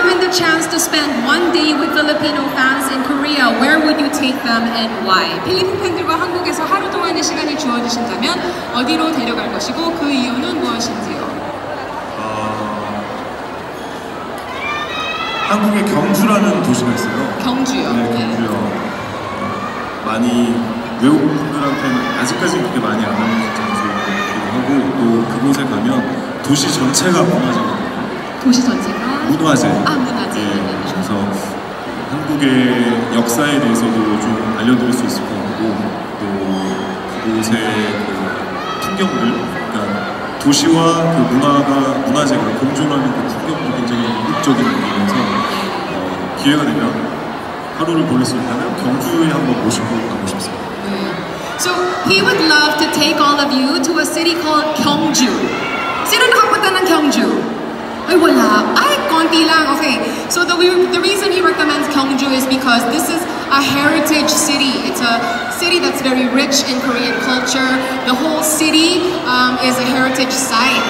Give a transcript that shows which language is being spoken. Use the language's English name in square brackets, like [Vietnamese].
[English] Chance to spend one day with Filipino fans in Korea. Where would you take them and why? [Korean] 필리핀 팬들과 한국에서 하루 동안의 시간을 주어주신다면 어디로 데려갈 것이고 그 이유는 무엇인지요? 한국의 경주라는 도시가 있어요. 경주요. 네, 경주요. 많이 외국 분들한테는 아직까지는 그렇게 많이 안 알려진 장소이기도 하고 또 그곳에 가면 도시 전체가 문화재가 도시 전체가 문화재. 아, 문화재. 네, 그래서 한국의 역사에 대해서도 좀 알려드릴 수 있을 것 같고, 또 그 곳의 그 풍경들, 그러니까 도시와 그 문화가 문화재가 공존하는 그 풍경도 굉장히 이국적인 곳이면서 기회가 되면 하루를 보낼 수 있다면 경주에 한번 모시고 가고 싶습니다. [English] So he would love to take all of you to a city called 경주. 싫은 한국보다는 경주. 아이 몰라. 아이 건디 랑 오케이. So the reason he recommends 경주 is because this is a heritage city. It's a city that's very rich in Korean culture. The whole city is a heritage site.